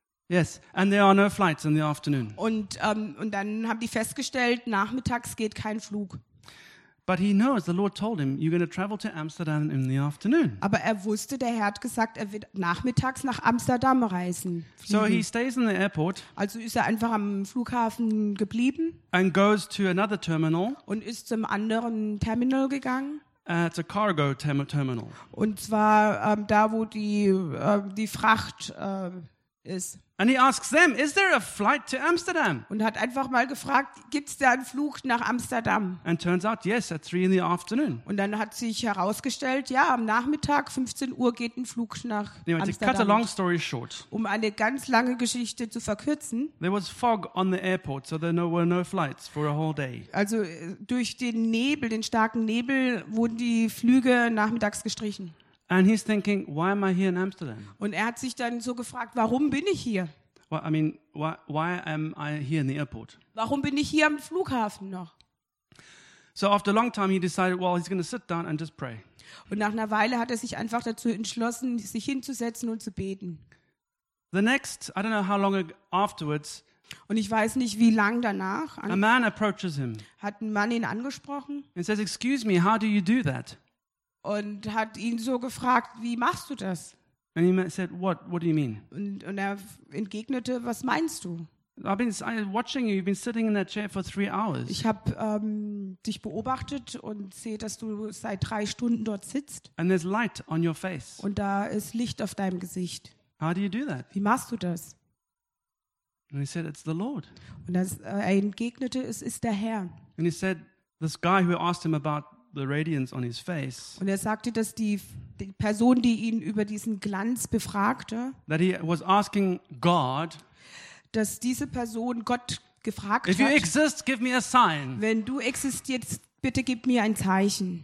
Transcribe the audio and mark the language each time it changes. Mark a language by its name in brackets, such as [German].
[English] Yes, and there are no flights in the afternoon. [German] Und dann haben die festgestellt, nachmittags geht kein Flug. [English] But he knows the Lord told him you're going to travel to Amsterdam in the afternoon. [German] Aber er wusste, der Herr hat gesagt, er wird nachmittags nach Amsterdam reisen. [English] So he stays in the airport. [German] Also ist er einfach am Flughafen geblieben. [English] And goes to another terminal. [German] Und ist zum anderen Terminal gegangen. [English] It's a cargo terminal. [German] Und zwar da, wo die Fracht ist. [English] And he asks them, "Is there a flight to Amsterdam?" [German] Und hat einfach mal gefragt, gibt's da einen Flug nach Amsterdam? [English] And turns out, yes, at 3 p.m. [German] Und dann hat sich herausgestellt, ja, am Nachmittag, 15 Uhr geht ein Flug nach Amsterdam. [English] To cut a long story short, [German] um eine ganz lange Geschichte zu verkürzen. [English] There was fog on the airport, so there were no flights for a whole day. [German] Also durch den Nebel, den starken Nebel, wurden die Flüge nachmittags gestrichen. [English] And he's thinking, why am I here in Amsterdam? [German] Und er hat sich dann so gefragt, warum bin ich hier? [English] Well, I mean, why am I here in the airport? [German] Warum bin ich hier am Flughafen noch? [English] So after a long time he decided, well, he's going to sit down and just pray. [German] Und nach einer Weile hat er sich einfach dazu entschlossen, sich hinzusetzen und zu beten. [English] The next, I don't know how long afterwards. [German] Und ich weiß nicht, wie lang danach. [English] A man approaches him. [German] Hat ein Mann ihn angesprochen. [English] And says, excuse me, how do you do that? [German] Und hat ihn so gefragt, wie machst du das? [English] And he said, what do you mean? [German] Und er entgegnete, was meinst du? [English] I've been watching you. You've been sitting in that chair for 3 hours. [German] Ich habe dich beobachtet und sehe, dass du seit 3 Stunden dort sitzt. [English] And there's light on your face. [German] Und da ist Licht auf deinem Gesicht. [English] How do you do that? [German] Wie machst du das? [English] And he said, it's the Lord. [German] Und er entgegnete, es ist der Herr. [English] And he said, this guy who asked him about the radiance on his face. [German] Und er sagte, dass die Person, die ihn über diesen Glanz befragte, [English] that he was asking God, [German] dass diese Person Gott gefragt [English] if [German] hat, [English] you exist, give me a sign. [German] Wenn du existierst, bitte gib mir ein Zeichen.